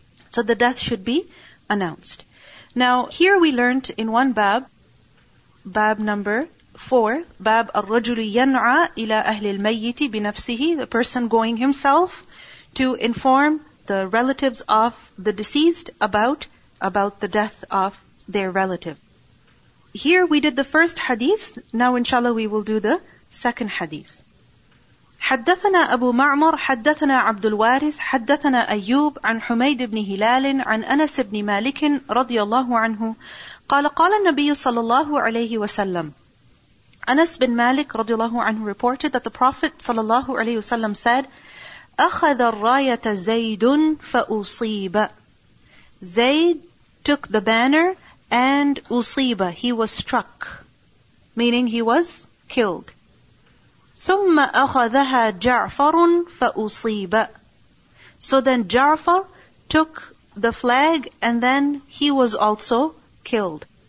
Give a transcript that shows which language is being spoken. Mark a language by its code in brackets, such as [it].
[en] So the death should be announced. Now, here we learned in one bab number 4, [ar] bab al-rajul yan'a ila ahli al-mayyiti binafsihi, [en] the person going himself to inform the relatives of the deceased about the death of their relative. Here we did the first hadith, now inshallah we will do the second hadith. [ar] حدثنا أبو معمر حدثنا عبد الوارث حدثنا أيوب عن حميد بن هلال عن أنس بن مالك رضي الله عنه قال قال النبي صلى الله عليه وسلم أنس بن مالك رضي الله عنه [en] reported that the Prophet [ar] صلى الله عليه وسلم said أخذ الراية زيد فأصيب. [en] زيد took the banner and أصيب, he was struck, meaning he was killed. [ar] ثُمَّ أَخَذَهَا جَعْفَرٌ فَأُصِيبَ. [en] So then Ja'far took the flag and then he was also killed.